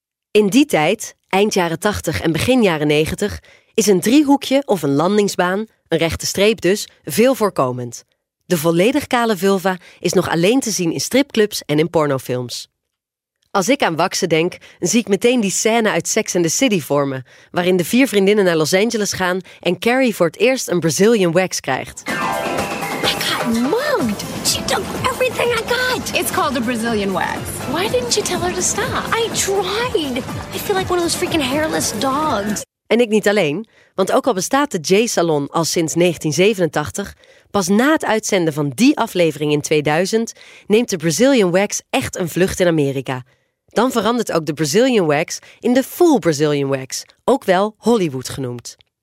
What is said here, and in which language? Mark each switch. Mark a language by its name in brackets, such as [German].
[Dutch] In die tijd, eind jaren 80 en begin jaren 90, is een driehoekje of een landingsbaan, een rechte streep dus, veel voorkomend. De volledig kale vulva is nog alleen te zien in stripclubs en in pornofilms. Als ik aan waxen denk, zie ik meteen die scène uit Sex and the City voor me, waarin de 4 vriendinnen naar Los Angeles gaan en Carrie voor het eerst een Brazilian wax krijgt. [English] I got mugged. She took everything I got. It's called a Brazilian wax. Why didn't you tell her to stop? I tried. I feel like one of those freaking hairless dogs. [Dutch] En ik niet alleen, want ook al bestaat de Jay Salon al sinds 1987, pas na het uitzenden van die aflevering in 2000 neemt de Brazilian wax echt een vlucht in Amerika. Dan verandert ook de Brazilian wax in de full Brazilian wax, ook wel Hollywood genoemd.